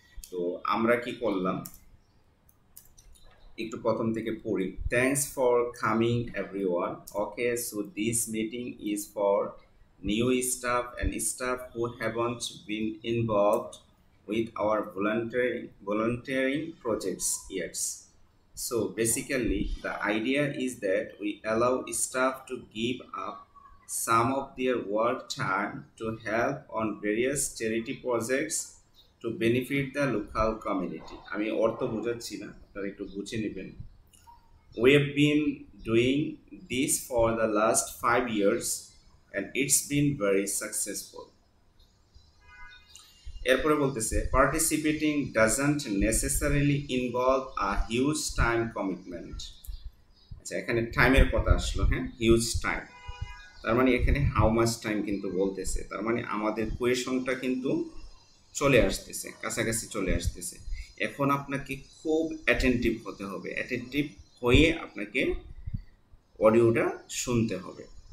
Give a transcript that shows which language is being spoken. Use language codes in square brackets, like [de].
[bn] তো আমরা কি করলাম, একটু প্রথম থেকে পড়ি। [en] Thanks for coming every one, okay so this meeting is for new staff and staff who haven't bin involved with our volunteering projects Yeats. So basically the idea is that we allow staff to give up some of their work time to help on various charity projects to benefit the local community. [bn] আমি অর্থ বুঝাচ্ছি না, আপনারা একটু বুঝে নেবেন। [en] We have been doing this for the last 5 years and it's been very successful. [bn] এরপরে বলতেছে, [en] participating doesn't necessarily involve a huge time commitment. [bn] আচ্ছা এখানে টাইমের কথা আসলো, হ্যাঁ হিউজ টাইম, তার মানে এখানে [en] how much time [bn] কিন্তু বলতেছে, তার মানে আমাদের কোয়েশনটা কিন্তু চলে আসতেছে, কাছাকাছি চলে আসতেছে। এখন আপনাকে খুব অ্যাটেন্টিভ হতে হবে, অ্যাটেন্টিভ হয়ে আপনাকে অডিওটা শুনতে হবে।